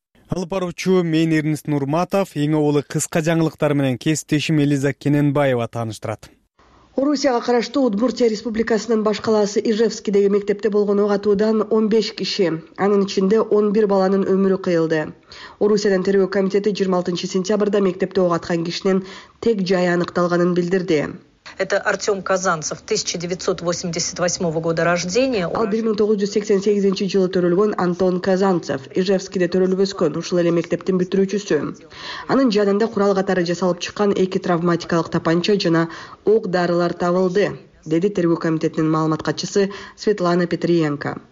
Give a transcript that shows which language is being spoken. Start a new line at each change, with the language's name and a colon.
Kyrgyz: Алып баруучу мен Эрнист Нурматов, эң оолу кыска жаңылыктар менен кесиптешим Элиза Кененбаева тааныштырат. Орусияга караштуу Удмуртия Республикасынын баш калаасы Ижевскидеги мектепте болгон ок атуудан 15 киши, анын ичинде 11 баланын өмүрү кыйылды. Орусиянын тергөө комитети 26 сентябрда мектепте ок аткан кишинин тек жайы аныкталганын билдирди.
Russian: Это Артём Казанцев, 1988 года рождения.
Kyrgyz: Ал 1988 жылы төрөлгөн Антон Казанцев, Ижевскиде төрөлбөскөн ушул эле мектептин бүтүрүүчүсү. Анын жанында курал катары жасалып чыккан эки травматикалык тапанча жана ок дарылар табылды, деди тергөө комитетинин маалымат катчысы Светлана Петриенко.